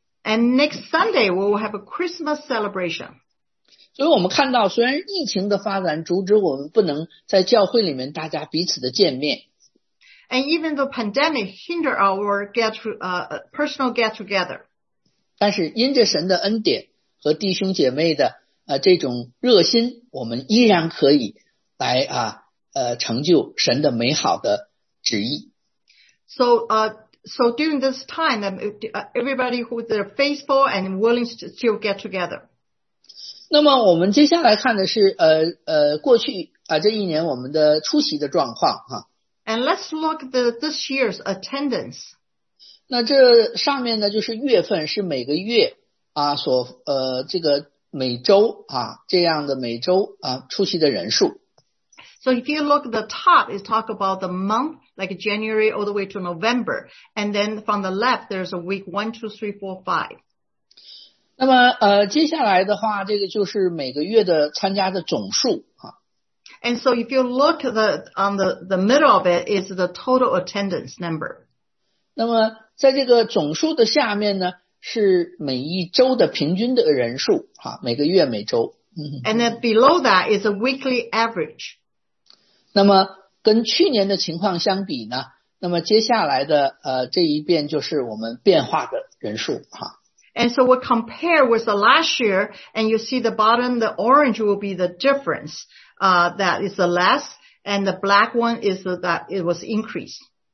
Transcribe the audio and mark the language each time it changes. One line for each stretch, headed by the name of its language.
English: And next Sunday we will have a Christmas celebration.
Chinese: 所以我们看到，虽然疫情的发展阻止我们不能在教会里面大家彼此的见面。
English: And even the pandemic hinder our personal get together.
Chinese: 但是因着神的恩典和弟兄姐妹的这种热心，我们依然可以来成就神的美好的旨意。
English: So during this time, everybody who is faithful and willing to still get together.
Chinese: 那么我们接下来看的是过去这一年我们的出席的状况哈。
English: And let's look at this year's attendance.
Chinese: 那这上面呢就是月份，是每个月啊所这个每周啊这样的每周啊出席的人数。
English: So if you look at the top, it talk about the month, like January all the way to November. And then from the left, there's a week 1, 2, 3, 4, 5.
Chinese: 那么接下来的话，这个就是每个月的参加的总数啊。
English: And so if you look at the middle of it is the total attendance number.
Chinese: 那么在这个总数的下面呢，是每一周的平均的人数啊，每个月每周。
English: And then below that is a weekly average.
Chinese: 那么跟去年的情况相比呢，那么接下来的这一遍就是我们变化的人数啊。
English: And so we'll compare with the last year, and you see the bottom, the orange will be the difference, that is the less, and the black one is the, that it was increased.